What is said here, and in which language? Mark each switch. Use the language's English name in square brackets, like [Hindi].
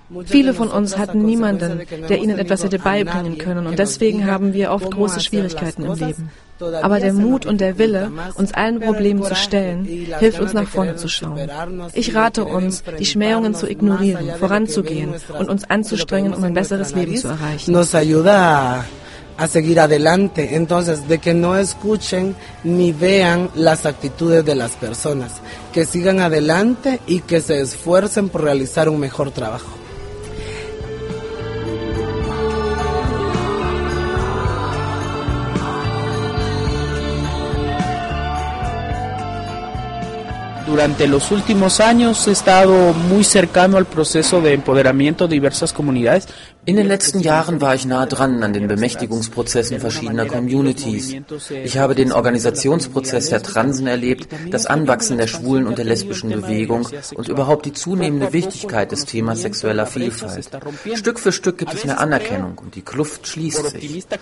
[German] Viele von uns hatten niemanden, der ihnen etwas hätte beibringen können, und deswegen haben wir oft große Schwierigkeiten im Leben. Aber der Mut und der Wille, uns allen Problemen zu stellen, hilft uns, nach vorne zu schauen. Ich rate uns, die Schmähungen zu ignorieren, voranzugehen und uns anzustrengen, um ein besseres Leben zu erreichen. [Spanish] A seguir adelante, entonces, de que no escuchen ni vean las actitudes de las personas, que sigan adelante y que se esfuercen por realizar un mejor trabajo. Durante los últimos años he estado muy cercano al proceso de empoderamiento de diversas comunidades. [German] In den letzten Jahren war ich nah dran an den Bemächtigungsprozessen verschiedener Communities. Ich habe den Organisationsprozess der Transen erlebt, das Anwachsen der Schwulen und der lesbischen Bewegung und überhaupt die zunehmende Wichtigkeit des Themas sexueller Vielfalt. Stück für Stück gibt es mehr Anerkennung und die Kluft schließt sich.